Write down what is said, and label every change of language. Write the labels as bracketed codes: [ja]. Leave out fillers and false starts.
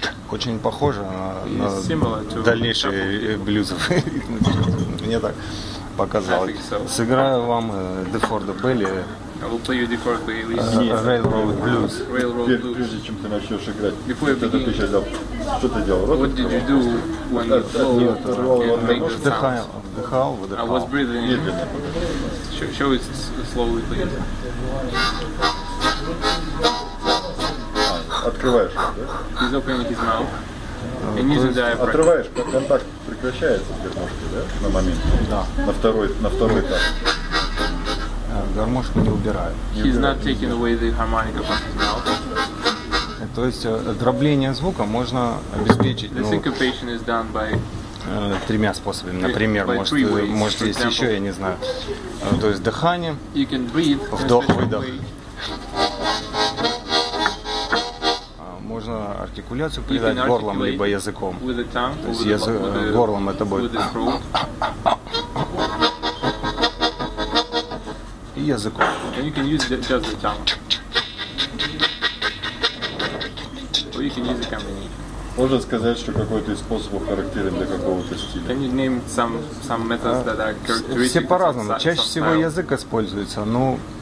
[ru] Очень похоже на дальнейшие блюзовые ритмы. Мне так показалось. Сыграю вам The For The Belly. Railroad Blues. Прежде чем ты начнешь играть, что ты сейчас делал? Что ты делал? [en] What did you do when you fall and make the sound? [ru] Вдыхал, выдыхал. [en] I was breathing. Show it slowly, please. [ru] Открываешь, да? [en] He's opening his mouth. And using the diaphragm. [ru] Отрываешь, контакт прекращается с гармошкой, да? На момент. Да. На второй этап. Гармошку не убираю. [en] He's not taking away the harmonica from his mouth. [ru] То есть дробление звука можно обеспечить. [en] The syncopation is done by [ru] тремя способами. Например, может есть еще, я не знаю. То есть дыханием. [en] You can breathe. [ru] Вдох-выдох. Можно артикуляцию придать горлом либо языком. [en] Tongue, [ru] то есть язык, горлом это будет. И языком. [en] And you can use just the tongue. Or you can use the combination. [ru] Можно сказать, что какой-то из способов характерен для какого-то стиля? [en] Can you name some methods that are characteristic? [ru] Все по-разному. Чаще всего язык используется, но